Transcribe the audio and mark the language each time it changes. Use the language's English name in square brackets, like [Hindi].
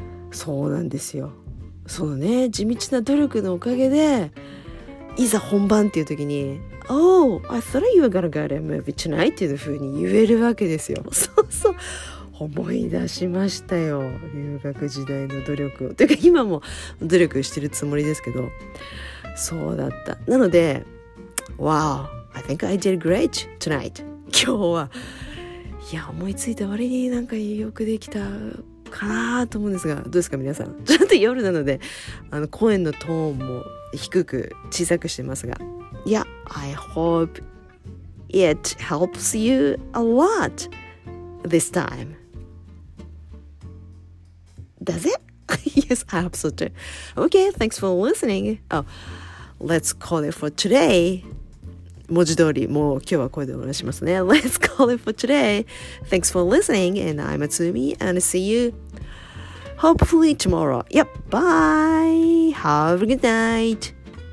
[Japanese] そうなんですよ。そのね地道な努力のおかげでいざ本番っていう時に [English] Oh, I thought you were gonna go to a movie tonight [Japanese] っていう風に言えるわけですよ。そうそう思い出しましたよ留学時代の努力を。てか今も努力してるつもりですけど。そうだった。なので [English] Wow, I think I did great tonight. [Japanese] 今日はいや思いついた割になんかよくできたかなと思うんですが、どうですか皆さん。ちょっと夜なのであの声のトーンも低く小さくしてますが、いや [English] I hope it helps you a lot this time. Does it? Yes, I hope so too. Okay, thanks for listening. Let's call it for today. [Japanese] 文字通り、もう今日はこれでお願いしますね。 [English] Let's call it for today. Thanks for listening. And I'm Atsumi. And see you hopefully tomorrow. Yep. Bye. Have a good night.